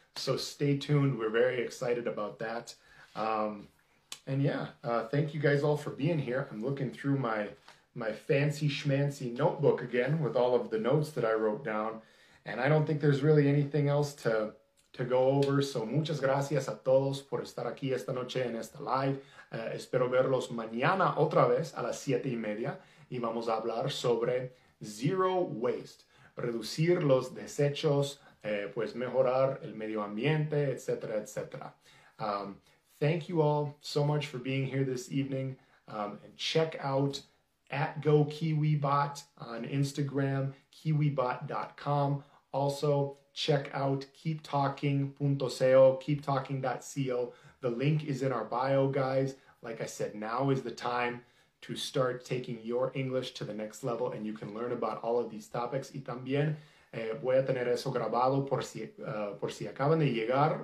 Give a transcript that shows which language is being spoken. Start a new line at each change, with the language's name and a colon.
English: So stay tuned. We're very excited about that. Thank you guys all for being here. I'm looking through my fancy schmancy notebook again with all of the notes that I wrote down. And I don't think there's really anything else to go over.
Spanish: So muchas gracias a todos por estar aquí esta noche en esta live. Espero verlos mañana otra vez a las 7:30 y vamos a hablar sobre zero waste, reducir los desechos, pues mejorar el medio ambiente, etcétera, etcétera.
English: Thank you all so much for being here this evening. And check out @GoKiwiBot on Instagram, kiwibot.com. Also, check out keeptalking.co, keeptalking.co. The link is in our bio, guys. Like I said, now is the time to start taking your English to the next level, and you can learn about all of these topics.
Spanish: Y también voy a tener eso grabado por si acaban de llegar.